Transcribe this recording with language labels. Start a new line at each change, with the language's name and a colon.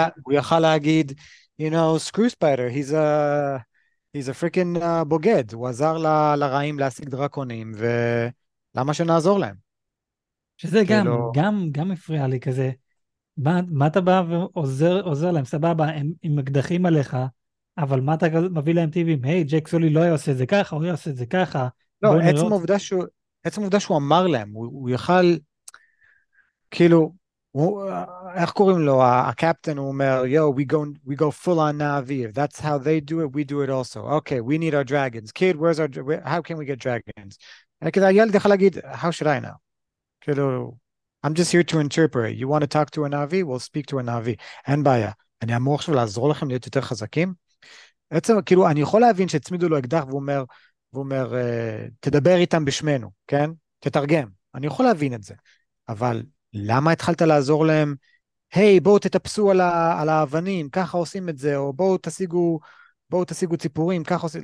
Hebrew: הוא יכל להגיד,
English: you know, screw Spider, he's a freaking
Hebrew: בוגד, הוא עזר לרעים להשיג דרקונים, ולמה שנעזור להם? שזה גם, כאילו... גם הפריע לי כזה, מה אתה בא ועוזר, עוזר להם, סבבה, הם עם אקדחים עליך, אבל מה אתה מביא להם טיבים, היי, ג'ק סולי לא יעשה את זה ככה, הוא יעשה את זה ככה, לא, בואו נראות. עצם העובדה שהוא אמר להם, הוא יכל, כאילו, איך קוראים לו, הקפטן, הוא אומר,
English: yo, we go full on Na'vi, if that's how they do it, we do it also. Okay, we need our dragons. Kid, where's our, how can we get dragons?
Hebrew: כדי הילד יכול להגיד,
English: how should I know? כאילו, I'm just here to interpret. You want to talk to a Na'vi? We'll speak to a Na'vi.
Hebrew: אין בעיה. אני אמור עכשיו לעזור לכם להיות יותר חזקים? עצם, כאילו, אני יכול להבין שצמידו לו אקדח והוא אומר, והוא אומר, תדבר איתם בשמנו, כן? תתרגם. אני יכול להבין את זה. אבל למה התחלת לעזור להם? היי, בואו תטפסו על האבנים, ככה עושים את זה, או בואו תשיגו ציפורים, ככה עושים...